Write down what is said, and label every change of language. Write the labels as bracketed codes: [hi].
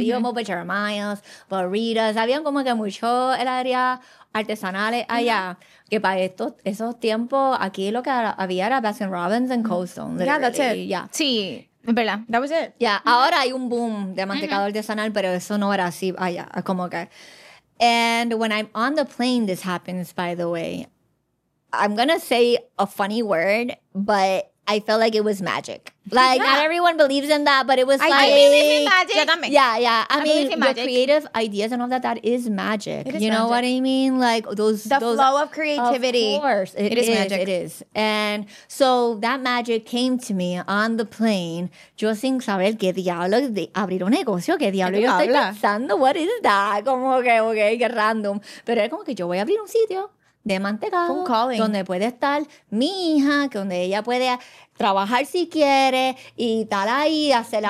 [es] Y íbamos para Jeremiah's, burritos, habían como que mucho el área artesanales allá, mm-hmm. que para esos tiempos, aquí lo que había era Baskin Robbins and Cold Stone. [en] Yeah, that's it. Yeah. [es] Sí, es verdad. [en] That was it. Yeah, mm-hmm. [es] ahora hay un boom de mantecado mm-hmm. artesanal, pero eso no era así allá, como que. [en] And when I'm on the plane, this happens, by the way, I'm gonna say a funny word, but I felt like it was magic. Like, yeah. not everyone believes in that, but it was like... I believe in magic. Yeah. I mean, your creative ideas and all that is magic. It is you know What I mean? Like, those flow of creativity. Of course. It is magic. It is. And so that magic came to me on the plane. [es] Yo sin saber qué diablo de abrir un negocio, qué diablo. Yo estoy pensando, [en] what is that? [es] Como que, okay, qué random. Pero era como que yo voy a abrir un sitio de mantecado, donde puede estar mi hija, que donde ella puede trabajar si quiere y estar ahí, hacer uh-huh.